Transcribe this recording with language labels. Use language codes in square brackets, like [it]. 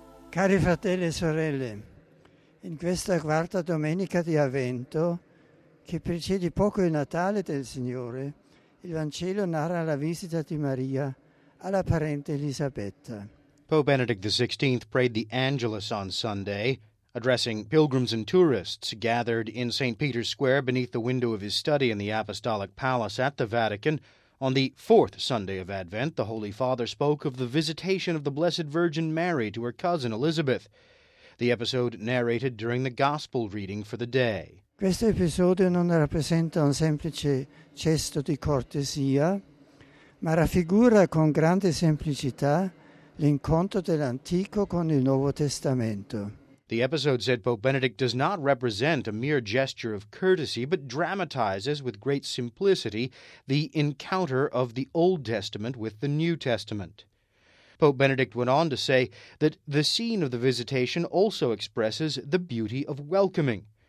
[it] Cari fratelli e sorelle, in questa quarta domenica di Avvento, che precede poco il Natale del Signore, il Vangelo narra la visita di Maria alla parente Elisabetta. [en] Pope Benedict XVI prayed the Angelus on Sunday, addressing pilgrims and tourists gathered in St. Peter's Square beneath the window of his study in the Apostolic Palace at the Vatican. On the fourth Sunday of Advent, the Holy Father spoke of the visitation of the Blessed Virgin Mary to her cousin Elizabeth, the episode narrated during the Gospel reading for the day. [it] Questo episodio non rappresenta un semplice gesto di cortesia, ma raffigura con grande semplicità l'incontro dell'Antico con il Nuovo Testamento. [en] The episode, said Pope Benedict, does not represent a mere gesture of courtesy, but dramatizes with great simplicity the encounter of the Old Testament with the New Testament. Pope Benedict went on to say that the scene of the visitation also expresses the beauty of welcoming.